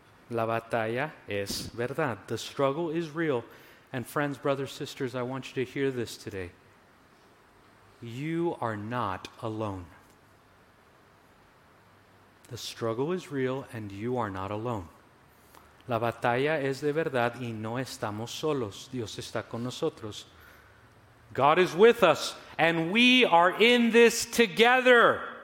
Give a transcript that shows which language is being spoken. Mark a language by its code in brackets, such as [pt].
[es] La batalla es verdad. [en] The struggle is real. And friends, brothers, sisters, I want you to hear this today. You are not alone. The struggle is real and you are not alone. [es] La batalla es de verdad y no estamos solos. Dios está con nosotros. [en] God is with us and we are in this together.